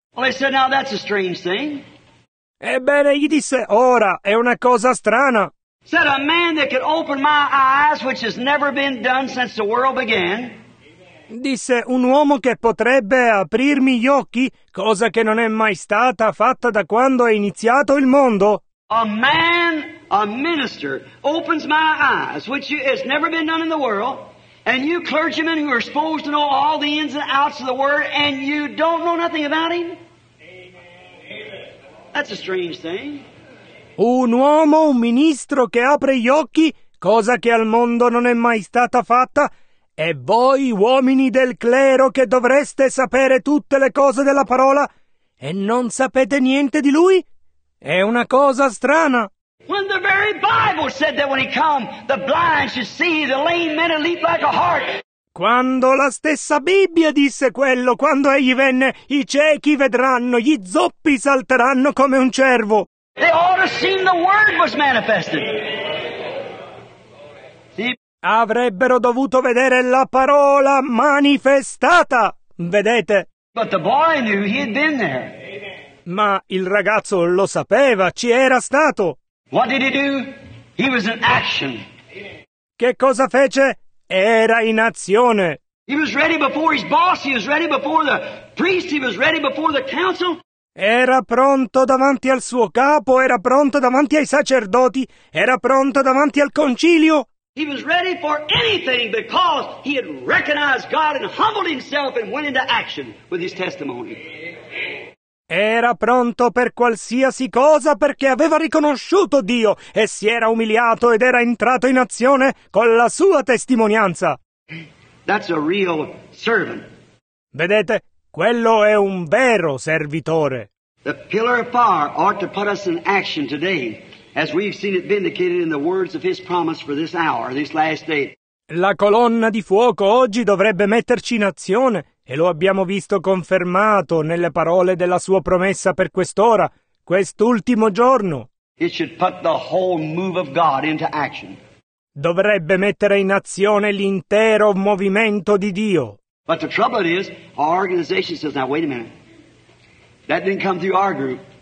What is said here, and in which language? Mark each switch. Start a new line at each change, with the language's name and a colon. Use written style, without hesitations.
English: Well, they said, now that's a strange thing.
Italian: Ebbene, gli disse, ora è una cosa strana.
English: Said a man that could open my eyes, which has never been done since the world began.
Italian: Disse, un uomo che potrebbe aprirmi gli occhi, cosa che non è mai stata fatta da quando è iniziato il mondo.
English: A man, a minister, opens my eyes, which has never been done in the world, and you clergymen who are supposed to know all the ins and outs of the word, and you don't know nothing about him? That's a strange thing.
Italian: Un uomo, un ministro che apre gli occhi, cosa che al mondo non è mai stata fatta, e voi, uomini del clero, che dovreste sapere tutte le cose della parola, e non sapete niente di lui? È una cosa strana.
English: When the very Bible said that when he come, the blind should see, the lame men would leap like a hart.
Italian: Quando la stessa Bibbia disse quello, quando egli venne, i ciechi vedranno, gli zoppi salteranno come un cervo.
English: They ought to see the word was manifested.
Italian: Avrebbero dovuto vedere la parola manifestata, vedete?
English: But the boy knew he had been there.
Italian: Ma il ragazzo lo sapeva, ci era stato.
English: What did he do? He was in action.
Italian: Che cosa fece? Era in azione.
English: He was ready before his boss, he was ready before the priest, he was ready before the council.
Italian: Era pronto davanti al suo capo, era pronto davanti ai sacerdoti, era pronto davanti al concilio.
English: He was ready for anything because he had recognized God and humbled himself and went into action with his testimony.
Italian: Era pronto per qualsiasi cosa perché aveva riconosciuto Dio e si era umiliato ed era entrato in azione con la sua testimonianza.
English: That's a real servant.
Italian: Vedete, quello è un vero servitore.
English: The pillar of fire ought to put us in action today, as we've seen it vindicated in the words of his promise for this hour, this last day.
Italian: La colonna di fuoco oggi dovrebbe metterci in azione, e lo abbiamo visto confermato nelle parole della sua promessa per quest'ora, quest'ultimo giorno.
English: It should put the whole move of God into action.
Italian: Dovrebbe mettere in azione l'intero movimento di Dio.
English: But the trouble is, our organization says, now wait a minute, that didn't come through our group.